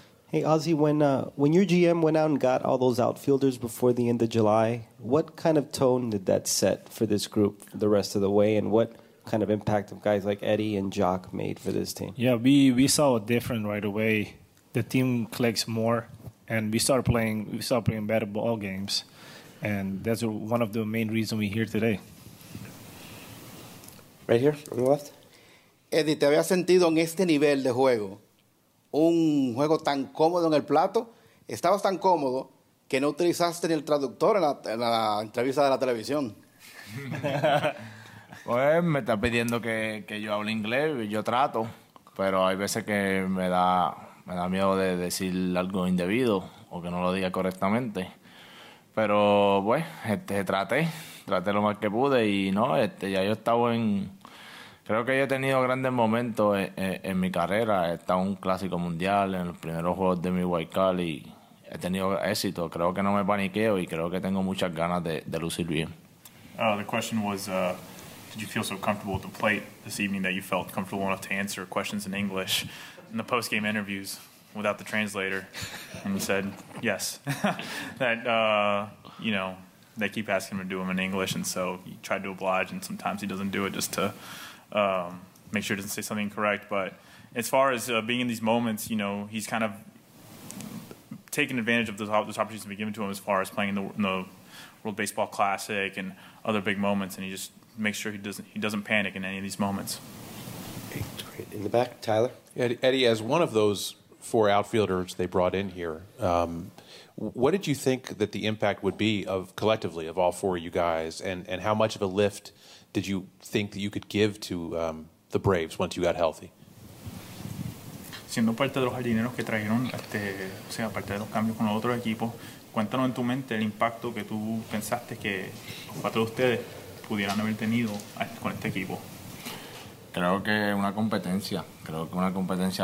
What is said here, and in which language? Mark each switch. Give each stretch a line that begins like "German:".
English: Hey, Ozzy, when your GM went out and got all those outfielders before the end of July, what kind of tone did that set for this group the rest of the way, and what kind of impact have guys like Eddie and Jock made for this team? Yeah, we saw a difference right away. The team clicks more, and we started playing better ball games, and that's one of the main reasons we're here today. Right here, on the left.
Spanish: Eddie, ¿te habías sentido en este nivel de juego? Un juego tan cómodo en el plato, estabas tan cómodo que no utilizaste ni el traductor en la entrevista de la televisión. Pues me está pidiendo que yo hable inglés y yo trato, pero hay veces que me da miedo de decir algo indebido o que no lo diga correctamente. Pero bueno, traté lo más que pude y no, ya yo estaba en... Creo que yo he tenido grandes momentos en mi carrera. He estado en un clásico mundial, en los primeros juegos de mi wild card, y he tenido éxito. Creo que no me paniqueo y creo que tengo muchas ganas de lucir bien.
English: The question was, did you feel so comfortable with the plate this evening that you felt comfortable enough to answer questions in English in the post-game interviews without the translator? And you said, yes. that they keep asking him to do them in English, and so he tried to oblige, and sometimes he doesn't do it just to... make sure he doesn't say something incorrect. But as far as being in these moments, you know, he's kind of taken advantage of those opportunities to be given to him as far as playing in the World Baseball Classic and other big moments, and he just makes sure he doesn't panic in any of these moments. In the back, Tyler. Eddie, as one of those four outfielders they brought in here, what did you think that the impact would be of collectively of all four of you guys, and how much of a lift did you think that you could give to the Braves once you got healthy?
Spanish: Siendo parte de los jardineros que trajeron, o sea, parte de los cambios con los otros equipos, cuéntanos en tu mente el impacto que tú pensaste que los cuatro de ustedes pudieran haber tenido con este equipo. Creo que una competencia. Creo que una competencia.